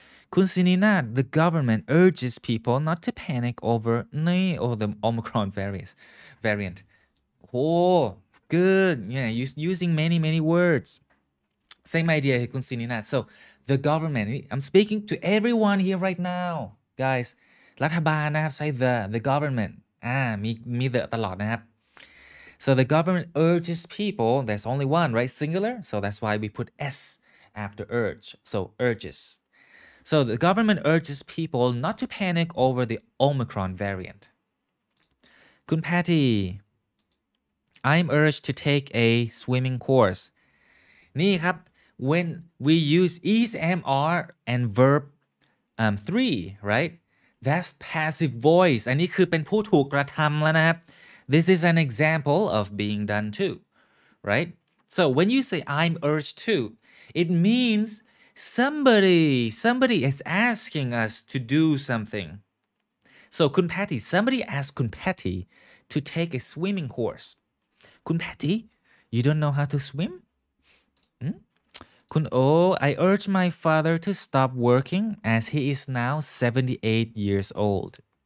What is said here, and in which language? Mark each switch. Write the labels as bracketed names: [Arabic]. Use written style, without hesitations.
[English] Kun Sininat, the government urges people not to panic over the Omicron variant. Oh, good. Yeah, using many, many words. Same idea, Kun Sininat. So the government, I'm speaking to everyone here right now, guys. [Thai] รัฐบาลนะครับ [English] say the government. [Thai] มีเดอะตลอดนะครับ [English] So the government urges people, there's only one, right? Singular. So that's why we put S after urge. So urges. So the government urges people not to panic over the Omicron variant. Kun Patty, I'm urged to take a swimming course. [Thai] นี่ครับ [English] when we use ESMR and verb 3, right? That's passive voice. [Thai] อันนี้คือเป็นผู้ถูกกระทำแล้วนะครับ [English] This is an example of being done too, right? So when you say I'm urged to, it means somebody is asking us to do something. So Kun Patty, somebody asked Kun Patty to take a swimming course. Kun Patty, you don't know how to swim? Kun Oh, I urge my father to stop working as he is now 78 years old.